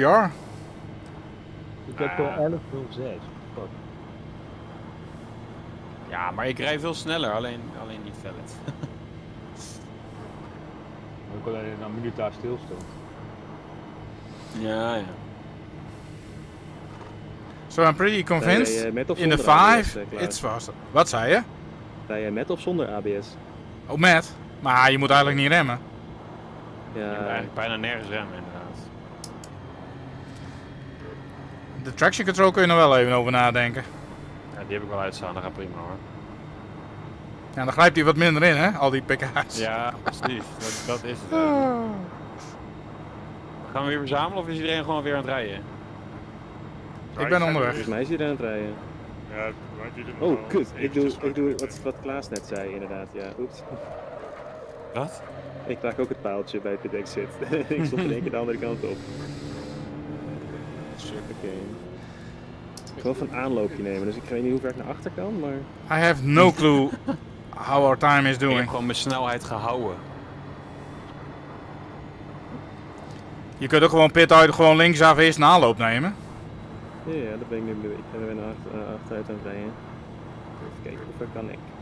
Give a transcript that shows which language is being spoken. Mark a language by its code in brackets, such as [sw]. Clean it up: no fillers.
[nl] Ik heb al 11.06. Ja, maar ik rijd veel sneller, alleen niet valid. Ook al een minuut daar stilstaan. Ja, ja. [en] So I'm pretty convinced in the 5 it's faster. [nl] Wat zei je? Rij jij met of zonder ABS? Oh, met. Maar je moet eigenlijk niet remmen. Ja. Je moet eigenlijk bijna nergens remmen, inderdaad. De traction control kun je nog wel even over nadenken. Ja, die heb ik wel uitstaan, dat gaat prima hoor. Ja, dan grijpt hij wat minder in, hè, al die pk's. Ja, precies. dat is het. Gaan we weer verzamelen of is iedereen gewoon weer aan het rijden? Ik ben onderweg. Volgens mij is hij aan het rijden. Ja, maar die doen oh, kut. Ik doe wat Klaas net zei, inderdaad. Ja, oeps. Wat? Ik raak ook het paaltje bij het bedekzit. Ik stond in één keer de andere kant op. Shit. Oké. Okay. Ik wil even een aanloopje nemen, dus ik weet niet hoe ver ik naar achter kan, maar... [en] I have no clue how our time is doing. [nl] Ik heb gewoon mijn snelheid gehouden. Je kunt ook gewoon pit uit, gewoon linksaf eerst een aanloop nemen. Ja, dat ben ik nu. Ik ben weer naar achteruit aan het rijden. Even kijken, hoe ver kan ik?